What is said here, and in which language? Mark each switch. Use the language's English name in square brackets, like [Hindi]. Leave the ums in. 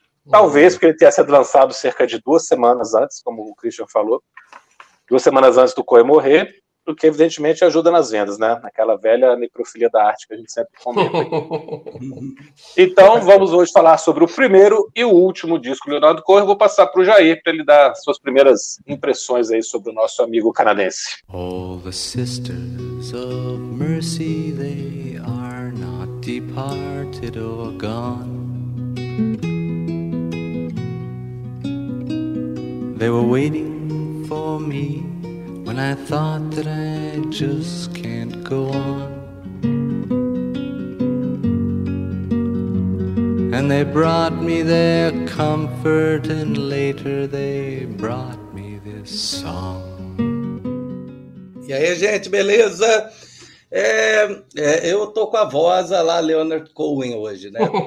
[Portuguese] Talvez porque ele tenha sido lançado cerca de duas semanas antes, como o Christian falou, duas semanas antes do Cohen morrer, o que evidentemente ajuda nas vendas, né? Aquela velha necrofilia da arte que a gente sempre comenta. Aqui. então, vamos hoje falar sobre o primeiro e o último disco do Leonardo Cohen. Vou passar para o Jair para ele dar suas primeiras impressões aí sobre o nosso amigo canadense. [English] All the sisters of mercy, they are not departed or gone. They were waiting for me. when I thought that I just can't go on. And they brought me their comfort, and later they brought me this song. [Portuguese] E aí, gente, beleza? É, é, eu tô com a voz lá Leonard Cohen hoje, né?